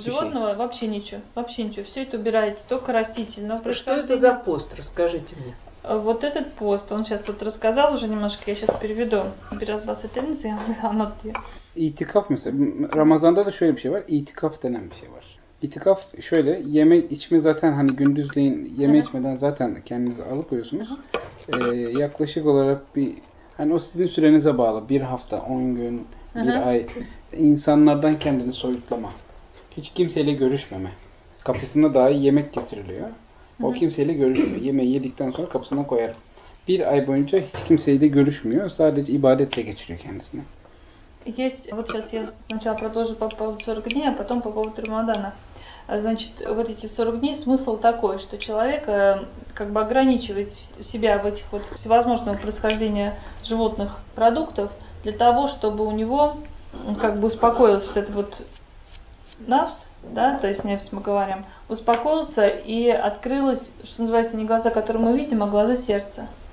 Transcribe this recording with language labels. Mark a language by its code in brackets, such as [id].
[ru] Все, животного вообще ничего, вообще ничего, все это убирается, только растительное происхождение. Что это за пост, расскажите мне. Вот этот пост, он сейчас вот рассказал уже немножко, я сейчас переведу. [tr] Biraz bahsedelim, anlat diye. İtikaf mesela, Ramazan'da da şöyle bir şey var, itikaf denen bir şey var. İtikaf şöyle, yeme içme zaten hani gündüzleyin yeme içmeden zaten kendinizi alıkoyuyorsunuz. Yaklaşık olarak bir, hani o sizin sürenize bağlı. Bir hafta, 10 gün, bir ay. İnsanlardan kendini soyutlama. Hiç kimseyle görüşmeme. Kapısına dahi yemek getiriliyor. O kimseyle görüşmüyor. Yemeği yedikten sonra kapısına koyar. Bir ay boyunca hiç kimseyle görüşmüyor. Sadece ibadetle geçiriyor kendisini. [ru] Есть, вот сейчас я сначала продолжу по поводу 40 дней, а потом по поводу Рамадана. Значит, вот эти 40 дней, смысл такой, что человек как бы ограничивает себя в этих вот всевозможных происхождениях животных продуктов для того, чтобы у него как бы успокоилось вот это вот нафс, да, то есть нефс мы говорим, успокоился и открылось, что называется, не глаза, которые мы видим, а глаза сердца.